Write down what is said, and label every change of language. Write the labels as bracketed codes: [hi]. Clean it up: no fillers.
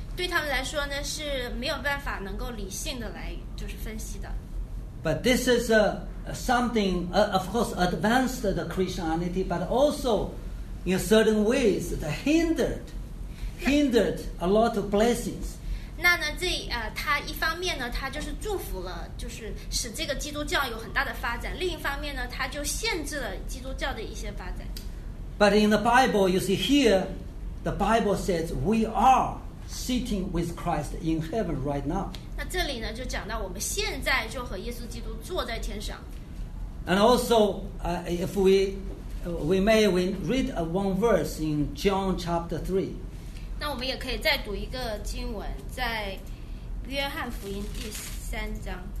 [zh] 对他们来说呢是没有办法能够理性的来就是分析的。 [en] But this is something, of course, advanced the Christianity, but also, in certain ways, that hindered a lot of blessings. [zh] 那呢，这它一方面呢，它就是祝福了，就是使这个基督教有很大的发展；另一方面呢，它就限制了基督教的一些发展。 [en] But in the Bible, you see here, the Bible says we are sitting with Christ in heaven right now. [zh] 那这里呢，就讲到我们现在就和耶稣基督坐在天上。 [en] And also, if we read one verse in John chapter 3. [zh] 那我们也可以再读一个经文，在约翰福音第三章。